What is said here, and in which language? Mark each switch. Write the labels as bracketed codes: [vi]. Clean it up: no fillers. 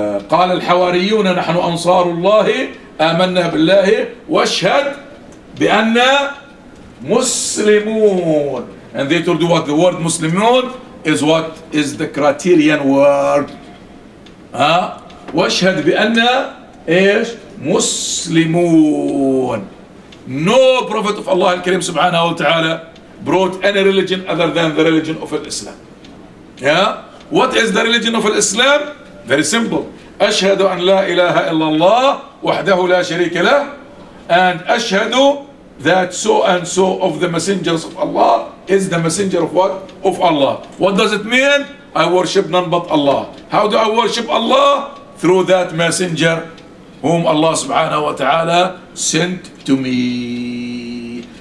[ar] قال الحواريون نحن أنصار الله آمنا بالله واشهد بأننا مسلمون. [en] And they told you what the word مسلمون is, what is the criterion word. [ar] واشهد بأننا ايش مسلمون. [en] No prophet of Allah al-Kareem subhanahu wa ta'ala brought any religion other than the religion of Islam. What is the religion of Islam? Very simple. [ar] أشهد أن لا إله إلا الله وحده لا شريك له, and أشهد [en] that so and so of the messengers of Allah is the messenger of what? Of Allah. What does it mean? I worship none but Allah. How do I worship Allah? Through that messenger whom Allah subhanahu wa ta'ala sent to me.